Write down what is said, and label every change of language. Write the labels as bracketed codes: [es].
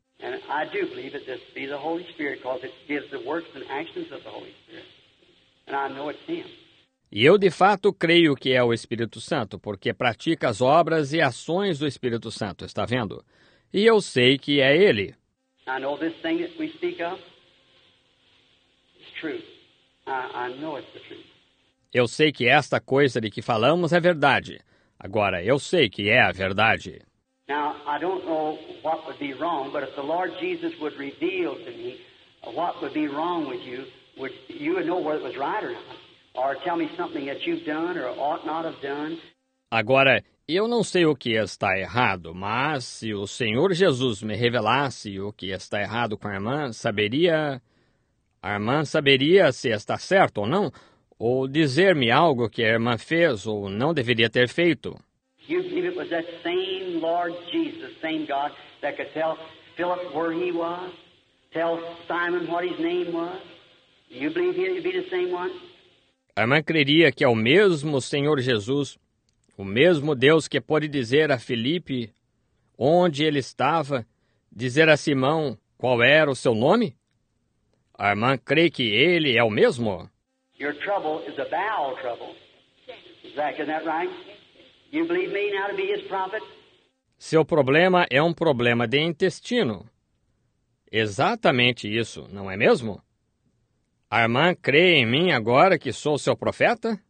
[en] And I do believe that this be the Holy Spirit, because it gives the works and actions of the Holy Spirit. And I know it's him. [pt] E eu de fato creio que é o Espírito Santo, porque pratica as obras e ações do Espírito Santo, está vendo? E eu sei que é Ele. [en] I know this thing that we speak of. It's true. I know it's the truth. [pt] Eu sei que esta coisa de que falamos é verdade. Agora, eu sei que é a verdade. [en] Now, I don't know what would be wrong, but if the Lord Jesus would reveal to me what would be wrong with you, you would know whether it was right or not. Or tell me something that you've done or ought not have done. [pt] Agora, eu não sei o que está errado, mas se o Senhor Jesus me revelasse o que está errado com a irmã, saberia... A irmã saberia se está certo ou não, ou dizer-me algo que a irmã fez ou não deveria ter feito. [en] You believe it was that same Lord Jesus, same God, that could tell Philip where he was, tell Simon what his name was? You believe he'd be the same one? [pt] A irmã creria que é o mesmo Senhor Jesus, o mesmo Deus que pode dizer a Felipe onde ele estava, dizer a Simão qual era o seu nome? A irmã crê que ele é o mesmo? [en] Your trouble is a bowel trouble. Yes. Zach, isn't that right? Yes. You believe me now to be his prophet? [pt] Seu problema é um problema de intestino. Exatamente isso, não é mesmo? A irmã crê em mim agora que sou seu profeta?